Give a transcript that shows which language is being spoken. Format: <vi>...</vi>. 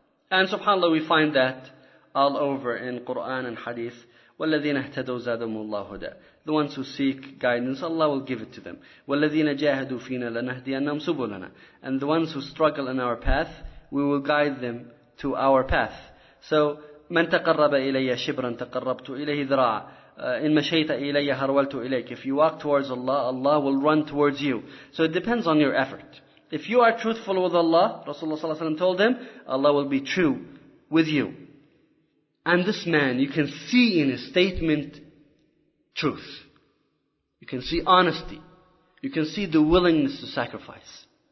<en>And subhanAllah, we find that all over in Qur'an and Hadith.</en> <ar>وَالَّذِينَ اهْتَدَوْ زَادَهُمُ اللَّهُ هُدًى</ar> <en>The ones who seek guidance, Allah will give it to them.</en> <ar>وَالَّذِينَ جَاهَدُوا فِينَا لَنَهْدِيَنَّهُمْ سُبُلَنَا</ar> <en>And the ones who struggle in our path, we will guide them to our path.</en> <ar>So, مَنْ تَقَرَّبَ إِلَيَّ شِبْرًا تَقَرَّبْتُ إِلَيْهِ ذِرَاعًا إِنْ مَشَيْتَ إِلَيَّ هَرْوَلْتُ إِلَيْكَ</ar> <en>If you walk towards Allah, Allah will run towards you. So it depends on your effort. If you are truthful with Allah, Rasulullah sallallahu alaihi wasallam told him, Allah will be true with you. And this man, you can see in his statement, truth. You can see honesty. You can see the willingness to sacrifice.</en>